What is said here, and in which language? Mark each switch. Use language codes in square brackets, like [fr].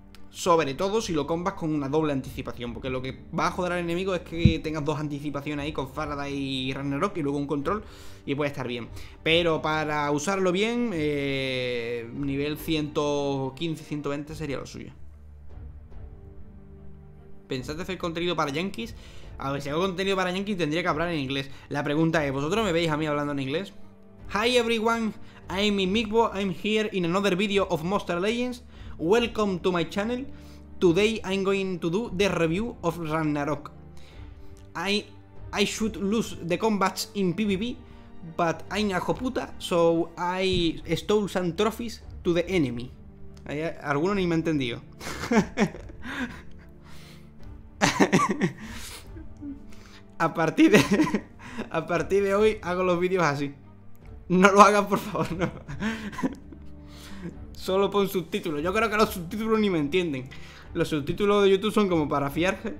[es] Sobre todo si lo combas con una doble anticipación, porque lo que va a joder al enemigo es que tengas dos anticipaciones ahí con Faraday y Ragnarok y luego un control y puede estar bien. Pero para usarlo bien, nivel 115-120 sería lo suyo. ¿Pensaste hacer contenido para Yankees? A ver, si hago contenido para Yankees tendría que hablar en inglés. La pregunta es, ¿vosotros me veis a mí hablando en inglés? [en] Hi everyone, I'm Imigbo, I'm here in another video of Monster Legends. Welcome to my channel. Today I'm going to do the review of Ragnarok. I should lose the combats in PvP, but I'm a joputa, so I stole some trophies to the enemy. [es] Alguno ni me ha entendido. A partir de hoy hago los vídeos así. No lo hagas, por favor, no. Solo pon subtítulos. Yo creo que los subtítulos ni me entienden. Los subtítulos de YouTube son como para fiar.